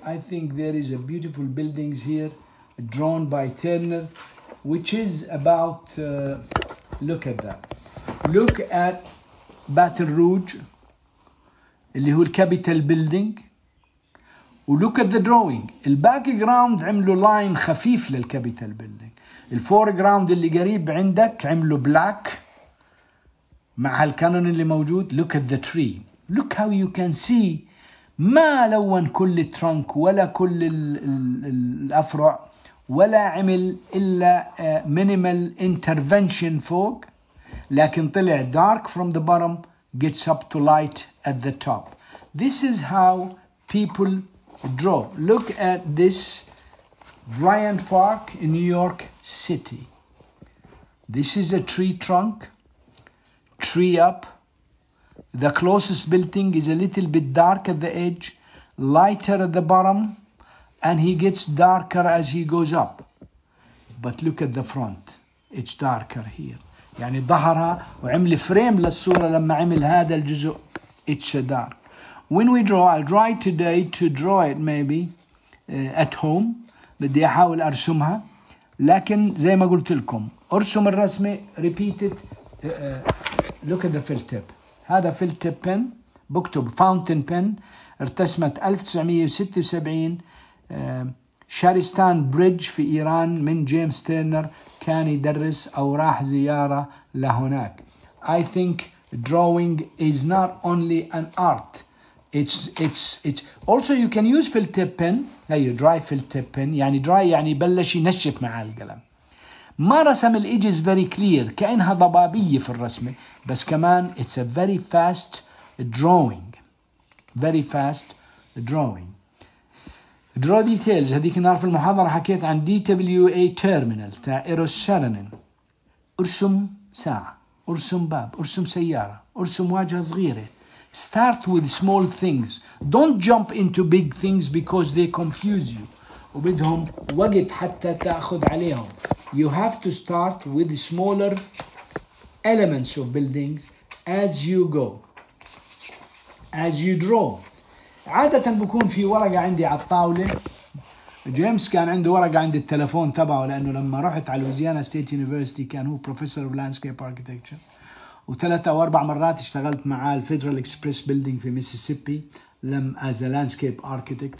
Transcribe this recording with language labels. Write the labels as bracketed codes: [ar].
[en] I think there is a beautiful buildings here drawn by Turner, which is about look at that. Look at Baton Rouge, [ar] اللي هو الكابيتال بيلدينج. ولوك ات ذا دروينج. الباك جراوند عملوا لاين خفيف للكابيتال بيلدينج. الفور جراوند اللي قريب عندك عملوا بلاك مع هالكانون اللي موجود. لوك ات ذا تري. لوك هاو يو كان سي ما لون كل الترنك ولا كل الافرع ولا عمل الا مينيمال انترفنشن فوق. لكن طلع [en] dark from the bottom gets up to light at the top. This is how people draw. Look at this Bryant Park in New York City. This is a tree trunk, tree up. The closest building is a little bit dark at the edge, lighter at the bottom, and he gets darker as he goes up. But look at the front. It's darker here. [ar] يعني ظهرها وعمل فريم للصورة لما عمل هذا الجزء. [en] It's a dark. When we draw, I'll try today to draw it maybe at home. [ar] بدي أحاول أرسمها. لكن زي ما قلت لكم أرسم الرسمة [en] repeat it. Look at the fill tip. [ar] هذا [en] fill tip pen. [ar] بكتب [en] fountain pen. [ar] ارتسمت 1976 شارستان بريدج في إيران من جيمس تيرنر. كان يدرس أو راح زيارة لهناك. [en] I think drawing is not only an art. It's also you can use fill tip pen. Hey, you dry fill tip pen. [ar] يعني dry يعني بلش ينشف مع القلم. ما رسم الإيجز [en] very clear. [ar] كأنها ضبابية في الرسمة. بس كمان [en] it's a very fast drawing. Very fast drawing. Draw details. [ar] هذيك النهار في المحاضرة حكيت عن DWA terminal تاع إيروس شارنين. أرسم ساعة. أرسم باب. أرسم سيارة. أرسم واجهة صغيرة. [en] Start with small things. Don't jump into big things because they confuse you. [ar] وبدهم وقت حتى تأخذ عليهم. [en] You have to start with smaller elements of buildings as you go. As you draw. [ar] عادة بكون في ورقة عندي على الطاولة. جيمس كان عنده ورقة عند التلفون تبعه لأنه لما رحت على لويزيانا ستيت يونيفرسيتي كان هو بروفيسور لاندسكيب أركيتكتشر. وثلاثة أو أربع مرات اشتغلت معاه الفيدرال إكسبريس بيلدينج في ميسيسيبي لم أز لاندسكيب أركيتكت.